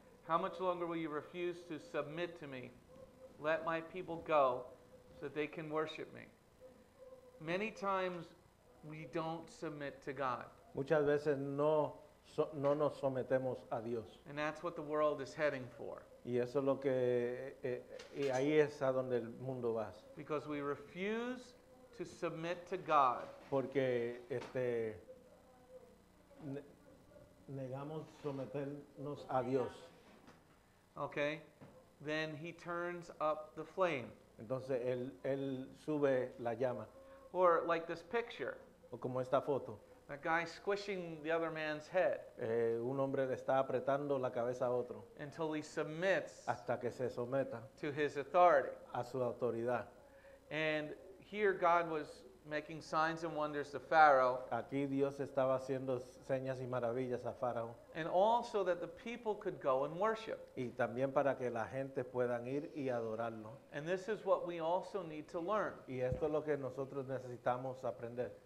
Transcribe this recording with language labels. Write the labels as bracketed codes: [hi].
[en] How much longer will you refuse to submit to me? Let my people go so that they can worship me." Many times we don't submit to God. [es] Muchas veces no nos sometemos a Dios. [en] And that's what the world is heading for. [es] Y eso es lo que ahí es a donde el mundo va. [en] Because we refuse to submit to God. [es] Porque negamos someternos a Dios. [en] Okay. Then he turns up the flame. [es] Entonces él sube la llama. [en] Or like this picture. [es] O como esta foto. [en] A guy squishing the other man's head. [es] Un hombre le está apretando la cabeza a otro. [en] Until he submits. [es] Hasta que se someta. [en] To his authority. [es] A su autoridad. [en] And here God was making signs and wonders to Pharaoh. [es] Aquí Dios estaba haciendo señas y maravillas a Pharaoh. [en] And also that the people could go and worship. [es] Y también para que la gente puedan ir y adorarlo. [en] And this is what we also need to learn. [es] Y esto es lo que nosotros necesitamos aprender.